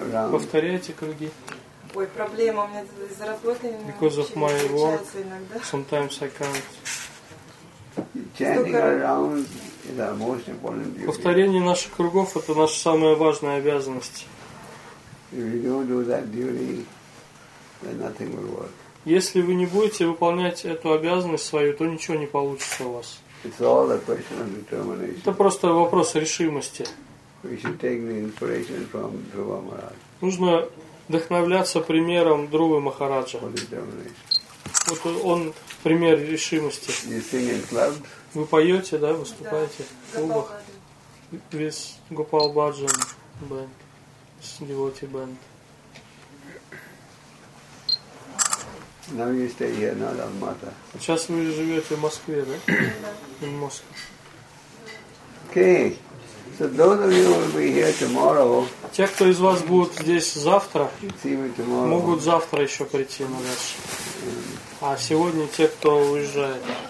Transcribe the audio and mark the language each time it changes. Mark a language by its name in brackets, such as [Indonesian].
[Russian] Повторяйте круги. Ой, проблема у меня из-за работы. [English] Because of my work, sometimes I can't. Chanting around is the most important duty. [Russian] Повторение наших кругов это наша самая важная обязанность. [English] If you don't do that duty, then nothing will work. [Russian] Если вы не будете выполнять эту обязанность свою, то ничего не получится у вас. [English] It's all a question of determination. [Russian] Это просто вопрос решимости. [English] We should take the inspiration from Dhruva Maharaj. [Russian] Нужно вдохновляться примером Друвы Махараджа. Вот он пример решимости. [English] You sing in clubs? [Russian] Вы поете, да, выступаете в клубах? [English] With Gopal Bhajan band, with devotee band. Now you stay here, not Almaty. [Russian] Сейчас вы живете в Москве, да? [English] In Moscow. Okay. So those of you who will be here tomorrow. [Russian] Те, кто из вас будут здесь завтра, [English] tomorrow, [Russian] могут завтра еще прийти на наш. А сегодня те, кто уезжает.